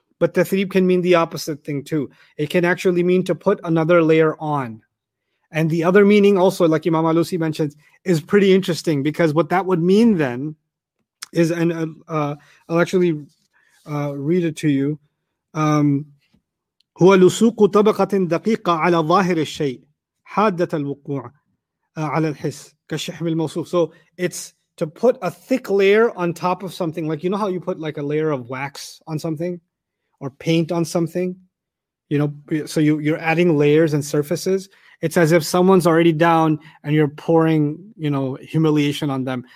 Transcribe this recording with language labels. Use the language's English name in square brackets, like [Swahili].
[English] But tathrib can mean the opposite thing too. It can actually mean to put another layer on. And the other meaning also, like Imam Alusi mentions, is pretty interesting, because what that would mean then is, and I'll actually read it to you. [Arabic] هو لسوق طبقة دقيقة على ظاهر الشيء حادة الوقوع على الحس كالشحم الموصوف. [English] So it's to put a thick layer on top of something. Like, you know how you put like a layer of wax on something? Or paint on something, you know, so you're adding layers and surfaces. It's as if someone's already down and you're pouring, you know, humiliation on them.